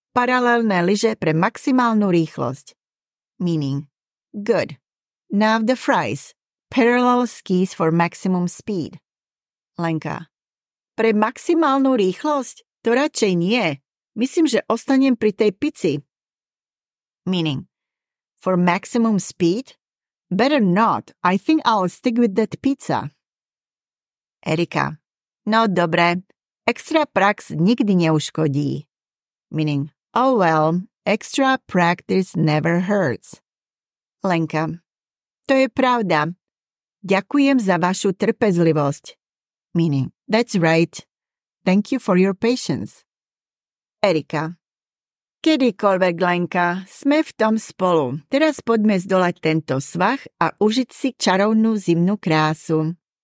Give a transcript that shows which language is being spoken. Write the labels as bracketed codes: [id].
[sk] Paralelné lyže pre maximálnu rýchlosť. [en] Meaning, good. Now the fries. Parallel skis for maximum speed. Lenka. [sk] Pre maximálnu rýchlosť? To radšej nie. Myslím, že ostanem pri tej pici. [en] Meaning, for maximum speed? Better not. I think I'll stick with that pizza. Erika. [sk] No dobre, extra prax nikdy neuškodí. [en] Meaning, oh well, extra practice never hurts. [sk] Lenka. To je pravda. Ďakujem za vašu trpezlivosť. [en] Meaning, that's right. Thank you for your patience. [sk] Erika. Kedykoľvek, Lenka, sme v tom spolu. Teraz poďme zdolať tento svah a užiť si čarovnú zimnú krásu.